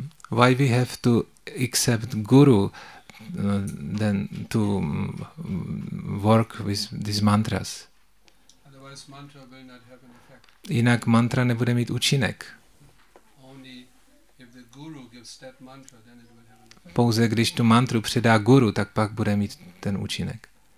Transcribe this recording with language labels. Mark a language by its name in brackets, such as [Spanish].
[English] Why we have to accept guru then to work with these mantras? Otherwise mantra will not have an effect. [Czech] Jinak mantra nebude mít účinek. [English] Only if the guru gives that mantra, then it will have an effect. [Czech] Pouze když tu mantru předá guru, tak pak bude mít ten účinek.